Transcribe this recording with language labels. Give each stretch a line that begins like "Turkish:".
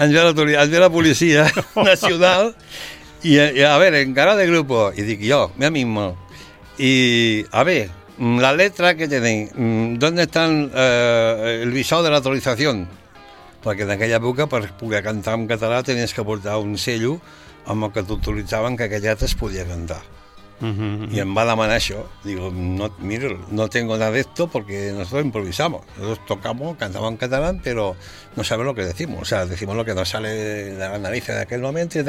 Catalan: Ens ve la policia nacional i a veure, encara de grupo, i dic jo,
Spanish: mi amigo,
Catalan: i a veure, la letra que tenen,
Spanish: ¿dónde está el visado de la autorización?
Catalan: Perquè en aquella època, per poder cantar en català, tenies que portar un sello amb el que t'autoritzaven que aquella altra es podia cantar. I em va demanar això.
Spanish: Digo, no, mira, no tengo nada de esto porque nosotros improvisamos. Nosotros tocamos, cantamos en catalán, pero no sabemos lo que decimos. O sea, decimos lo que nos sale de la nariz en aquel momento.